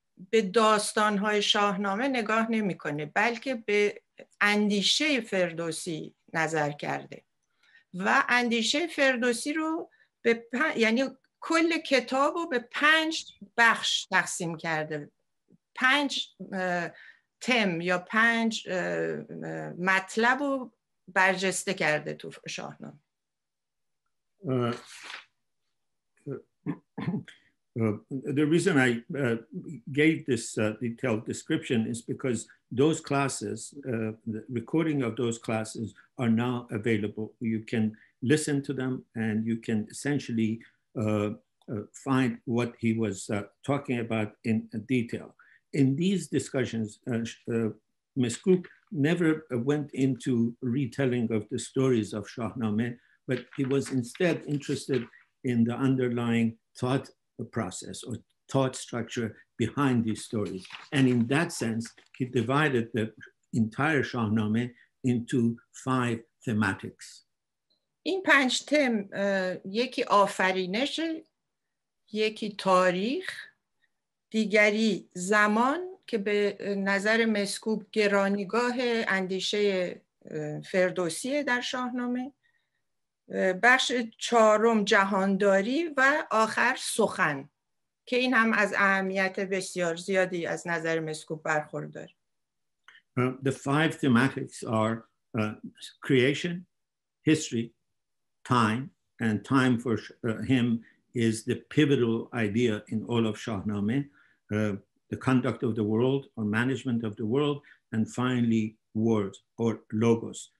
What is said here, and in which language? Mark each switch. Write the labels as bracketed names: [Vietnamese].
[Persian] به داستان های شاهنامه نگاه نمی کنه بلکه به اندیشه فردوسی نظر کرده و اندیشه فردوسی رو به یعنی کل کتاب رو به 5 بخش تقسیم کرده 5 تم یا 5 مطلب رو برجسته کرده تو شاهنامه [English] The reason I gave this detailed description is because those classes, the recording of those classes are now available. You can listen to them and you can essentially find what he was talking about in detail. In these discussions, Meskoob never went into retelling of the stories of Shahnameh, but he was instead interested in the underlying thought process or thought structure behind these stories. And in that sense, he divided the entire Shahnameh into 5 thematics. [Persian] این 5 تم یکی آفرینش یکی تاریخ دیگری زمان که به نظر مسکوب گرانیگاه اندیشه فردوسی در شاهنامه بخش 4 جهانداری و آخر سخن که این هم از اهمیت بسیار زیادی از نظر مسکوب برخوردار [English] The 5 thematics are creation, history, time, and time for him is the pivotal idea in all of Shahnameh, the conduct of the world or management of the world, and finally words or logos.